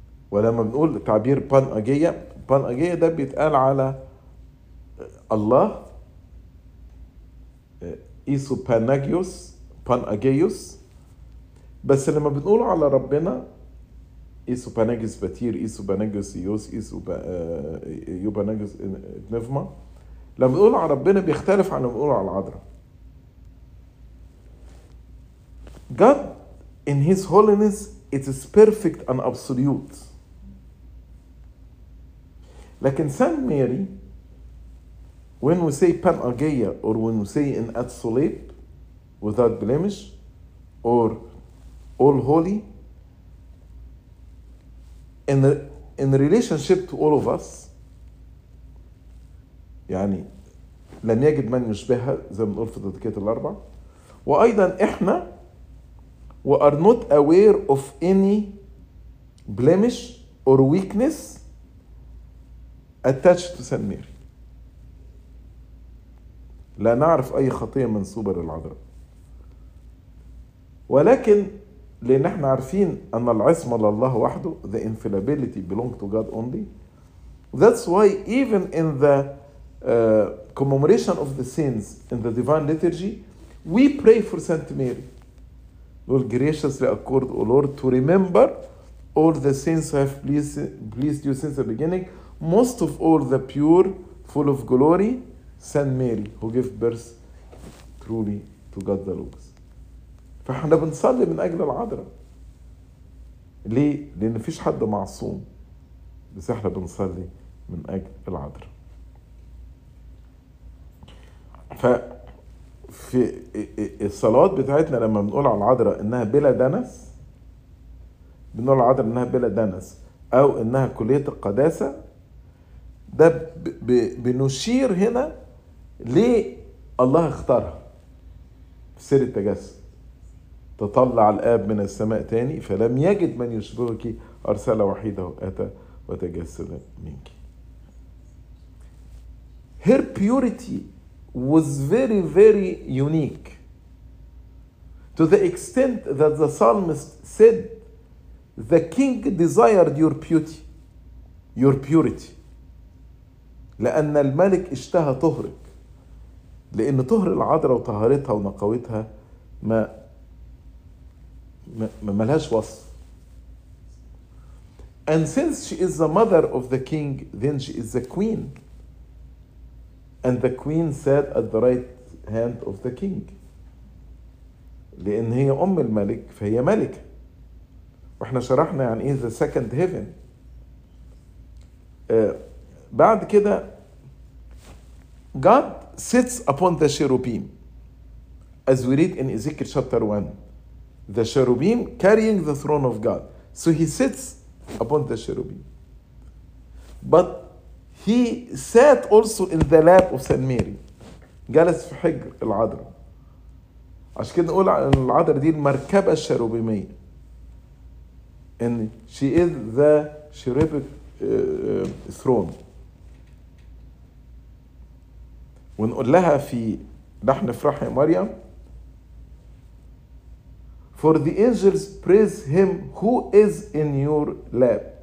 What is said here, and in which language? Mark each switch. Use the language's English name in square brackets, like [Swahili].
[Arabic] ولما بنقول تعبير panagia, panagia ده بيتقال على الله إيسو panagios, panagios. بس لما بنقول على ربنا [Greek] إيسو باناجيس باتير، إيسو باناجيس يوس، إيسو يو باناجيس نفما، [Arabic] لما بنقول على ربنا بيختلف عن لما بنقول على العذراء. [English] God in His holiness it is perfect and absolute. [Arabic] لكن سان ماري [English] when we say panagia or when we say in absolute without blemish or all holy in relationship to all of us, [Arabic] يعني لم يجد من يشبهها زي ما نقول في التدكيات الأربع. وأيضا إحنا [English] we are not aware of any blemish or weakness attached to Saint Mary. [Arabic] لا نعرف أي خطية منسوبة للعذراء. ولكن لأن احنا عارفين أن العصمة لله وحده, [English] the infallibility belong to God only. That's why even in the commemoration of the saints in the divine liturgy, we pray for Saint Mary. Lord, graciously accord, O Lord, to remember all the saints who have pleased you since the beginning, most of all the pure, full of glory, Saint Mary, who gave birth truly to God the Logos. [Arabic] فاحنا بنصلي من اجل العذراء. ليه؟ لان مفيش حد معصوم, بس احنا بنصلي من اجل العذراء. ففي الصلوات بتاعتنا لما بنقول على العذراء انها بلا دنس, بنقول على العذراء انها بلا دنس او انها كليه القداسه, ده بنشير هنا ليه الله اختارها في سر التجسد. تطلع الآب من السماء تاني فلم يجد من يشبهك أرسل وحيده أتى وتجسد منك. [English] Her purity was very very unique to the extent that the psalmist said the king desired your beauty, your purity. [Arabic] لأن الملك اشتهى طهرك, لأن طهر العذراء وطهارتها ونقوتها ما لهاش وصف. [English] And since she is the mother of the king, then she is the queen. And the queen sat at the right hand of the king. [Arabic] لأن هي أم الملك فهي ملكة. وإحنا شرحنا يعني إيه [English] the second heaven. [Arabic] بعد كده [English] God sits upon the cherubim. As we read in Ezekiel chapter 1. The cherubim carrying the throne of God. So he sits upon the cherubim. But he sat also in the lap of Saint Mary. [Arabic] جلس في حجر العذراء. عشان كده نقول عن العذراء دي المركبة الشيروبيمية. [English] And she is the cherubic throne. [Arabic] ونقول لها في لحن افراح يا مريم, [English] for the angels praise him who is in your lap.